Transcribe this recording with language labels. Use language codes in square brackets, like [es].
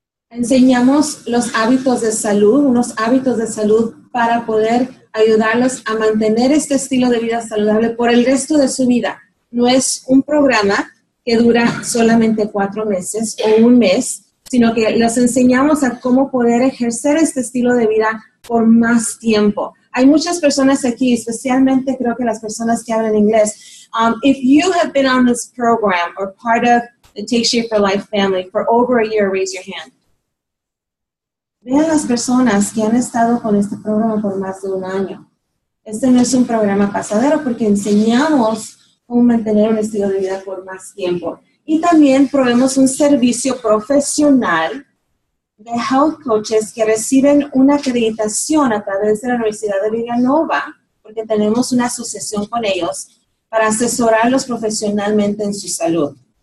[es] Enseñamos los hábitos de salud, unos hábitos de salud para poder ayudarlos a mantener este estilo de vida saludable por el resto de su vida. No es un programa que dura solamente 4 meses o un mes, sino que los enseñamos a cómo poder ejercer este estilo de vida por más tiempo. Hay muchas personas aquí, especialmente creo que las personas que hablan inglés. [en] If you have been on this program or part of the Take Shape for Life family for over a year, raise your hand. [es] Vean las personas que han estado con este programa por más de un año. Este no es un programa pasadero porque enseñamos cómo mantener un estilo de vida por más tiempo. Y también proveemos un servicio profesional de health coaches que reciben una acreditación a través de la Universidad de Villanova, porque tenemos una asociación con ellos, para asesorarlos profesionalmente en su salud.